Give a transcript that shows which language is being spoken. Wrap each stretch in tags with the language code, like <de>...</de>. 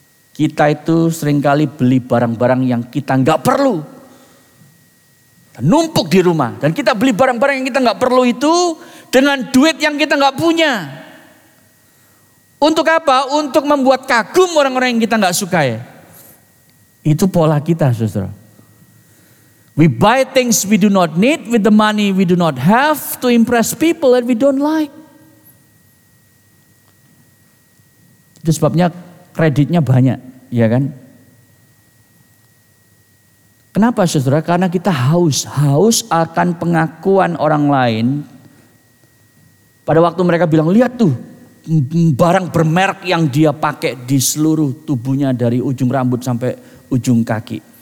<id>Kita itu seringkali beli barang-barang yang kita gak perlu. Dan numpuk di rumah. Dan kita beli barang-barang yang kita gak perlu itu dengan duit yang kita gak punya. Untuk apa? Untuk membuat kagum orang-orang yang kita gak sukai. Itu pola kita, saudara.</id> <en>We buy things we do not need with the money we do not have to impress people that we don't like.</en> <id>Itu sebabnya kreditnya banyak, ya kan? Kenapa, saudara? Karena kita haus. Haus akan pengakuan orang lain. Pada waktu mereka bilang, lihat tuh barang bermerek yang dia pakai di seluruh tubuhnya dari ujung rambut sampai ujung kaki.</id>